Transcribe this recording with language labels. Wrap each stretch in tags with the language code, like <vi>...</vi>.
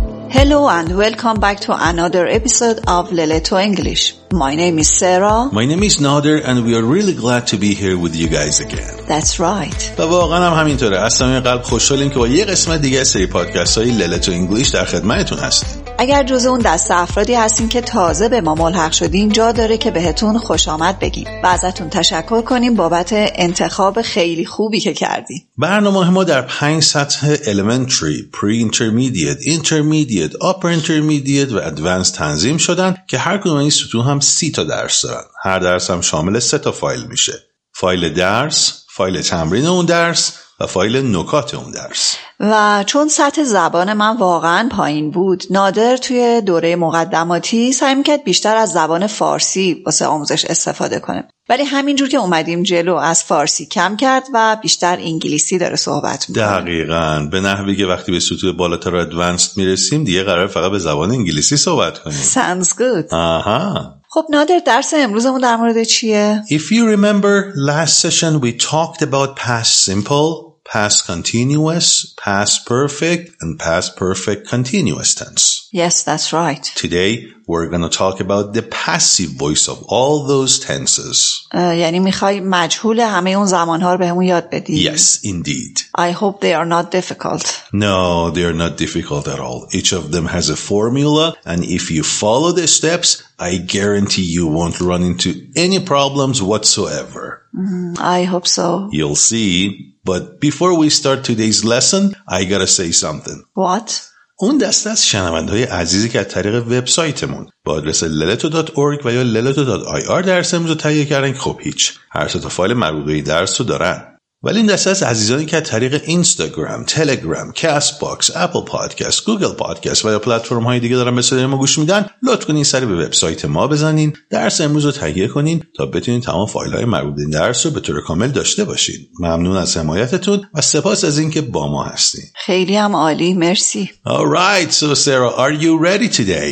<en>Hello and welcome back to another episode of Leleto English. My name is Sarah. My name is Nader and we are really glad to be here with you guys again. That's right.</en> <fa>و واقعا هم همینطوره. از صمیم قلب خوشحالیم که با یه قسمت دیگه از سری پادکست های Leleto English در خدمتتون هستیم. اگر جز اون دست افرادی هستین که تازه به ما ملحق شدین، جا داره که بهتون خوش آمد بگیم و ازتون تشکر کنیم بابت انتخاب خیلی خوبی که کردین. برنامه ما در 5 سطح elementary, pre-intermediate, intermediate, upper intermediate و advanced تنظیم شدن که هر کدوم این سطوح هم 30 تا درس دارن. هر درس هم شامل 3 تا فایل میشه. فایل درس، فایل تمرین اون درس و فایل نکات اون درس. و چون سطح زبان من واقعا پایین بود، نادر توی دوره مقدماتی سعی میکرد بیشتر از زبان فارسی واسه آموزش استفاده کنه، ولی همینجور که اومدیم جلو از فارسی کم کرد و بیشتر انگلیسی داره صحبت میکنه. دقیقاً به نحوی که وقتی به سطوح بالاتر ادوانسد میرسیم دیگه قرار فقط به زبان انگلیسی صحبت کنیم.</fa> <en>Sounds good.</en> <fa>آها. خب نادر، درس امروزمون در مورد چیه؟</fa> <en>If you remember last session we talked about past simple, past continuous, past perfect and past perfect continuous tense. Yes, that's right. Today we're going to talk about the passive voice of all those tenses.</en> <fa>یعنی میخوای مجهول همه اون زمانها رو بهمون یاد بدی؟</fa> <en>Yes, indeed. I hope they are not difficult. No, they are not difficult at all. Each of them has a formula and if you follow the steps, I guarantee you won't run into any problems whatsoever. I hope so. You'll see. But before we start today's lesson, I gotta say something. What?</en> <fa>اون دسته از شنوندهای عزیزی که از طریق وبسایتمون با آدرس leleto.org و یا leleto.ir درس امروز رو تهیه کردن، خب هیچ، هر سه تا فایل مربوط به این درس رو دارن. ولی این دسته از عزیزانی که از طریق اینستاگرام، تلگرام، کاست باکس، اپل پادکست، گوگل پادکست و یا پلتفرم های دیگه دارن به صدای ما گوش میدن، لطف کنین سری به وبسایت ما بزنین، درس امروز رو تهیه کنین تا بتونین تمام فایل های مربوط به این درس رو به طور کامل داشته باشین. ممنون از حمایتتون و سپاس از اینکه با ما هستین. خیلی هم عالی، مرسی.</fa> <en>Alright, so Sarah, are you ready today?</en>